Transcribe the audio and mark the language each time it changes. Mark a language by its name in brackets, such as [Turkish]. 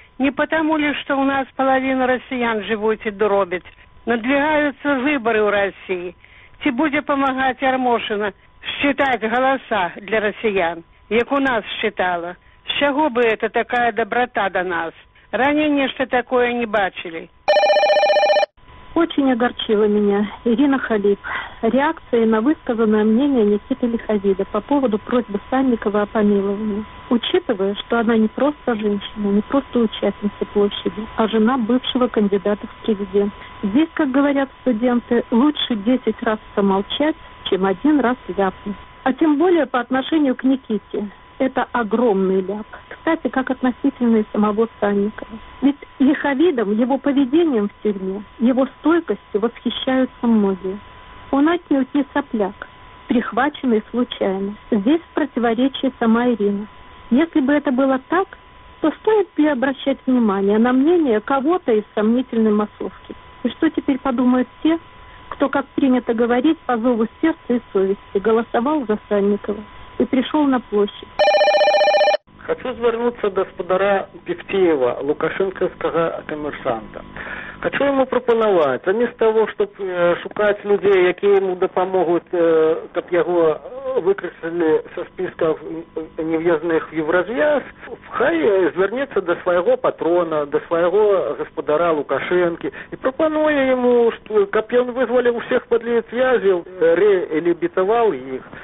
[Ukrainian] Не тому ли, що у нас половина росіян живуть і доробить? Надвигаються вибори у Росії. Чи буде допомагати Ярмошина [Russian] считати голоса [Ukrainian] для росіян, як у нас считала? З чого би це така доброта до нас? Раніше ще таке не бачили. [Russian] Очень огорчила меня Ирина Халип реакцией на высказанное мнение Никиты Лиховида по поводу просьбы Санникова о помиловании. Учитывая, что она не просто женщина, не просто участница площади, а жена бывшего кандидата в президенты. Здесь, как говорят студенты, лучше 10 раз помолчать, чем один раз ляпнуть. А тем более по отношению к Никите. Это огромный ляп. Кстати, как относительно самого Санникова. Ведь Лиховидом, его поведением в тюрьме, его стойкостью восхищаются многие. Он отнюдь не сопляк, прихваченный случайно. Здесь в противоречии сама Ирина. Если бы это было так, то стоит ли обращать внимание на мнение кого-то из сомнительной массовки? И что теперь подумают те, кто, как принято говорить, по зову сердца и совести голосовал за Санникова и пришел на площадь? [Ukrainian] Хочу звернутися до господаря Певтєєва, лукашенківського комерсанта. Хочу йому пропонувати, замість того, щоб шукати людей, які йому допоможуть, щоб його викреслили зі списку нев'язних в Євразіас, хай звернеться до свого патрона, до свого господаря Лукашенки і пропонує йому, щоб він визволив усіх подлітв'язів, реабілітував їх.